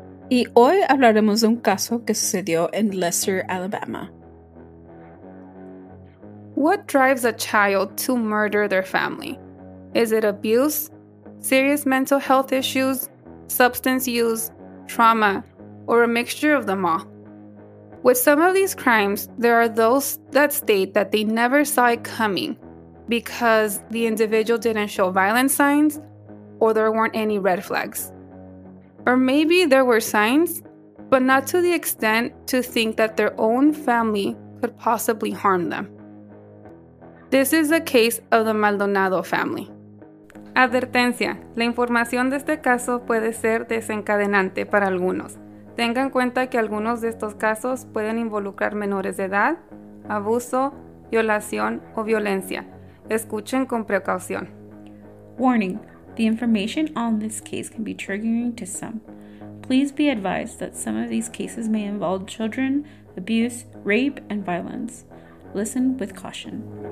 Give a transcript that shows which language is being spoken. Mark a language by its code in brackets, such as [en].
[es] Y hoy hablaremos de un caso que sucedió en Lesser, Alabama. [en] What drives a child to murder their family? Is it abuse, serious mental health issues, substance use, trauma, or a mixture of them all? With some of these crimes, there are those that state that they never saw it coming because the individual didn't show violent signs or there weren't any red flags. Or maybe there were signs, but not to the extent to think that their own family could possibly harm them. This is the case of the Maldonado family. [es] Advertencia, la información de este caso puede ser desencadenante para algunos. Tenga en cuenta que algunos de estos casos pueden involucrar menores de edad, abuso, violación o violencia. Escuchen con precaución. [en] Warning, the information on this case can be triggering to some. Please be advised that some of these cases may involve children, abuse, rape, and violence. Listen with caution.